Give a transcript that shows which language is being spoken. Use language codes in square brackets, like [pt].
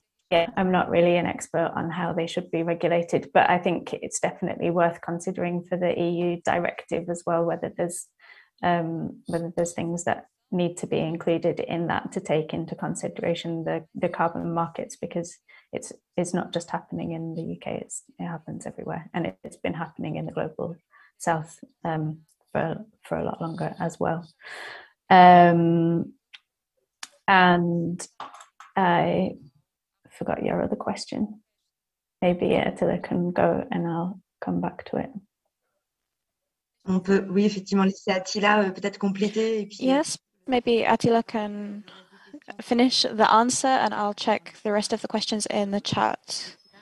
[en] I'm not really an expert on how they should be regulated, but I think it's definitely worth considering for the EU directive as well, whether there's things that need to be included in that to take into consideration the carbon markets, because it's not just happening in the UK, it happens everywhere, and it's been happening in the global south for a lot longer as well. And I forgot your other question. Maybe Attila can go and I'll come back to it. [fr] On peut, oui, effectivement, laisser Attila peut-être compléter et puis... [en] Yes, maybe Attila can finish the answer and I'll check the rest of the questions in the chat.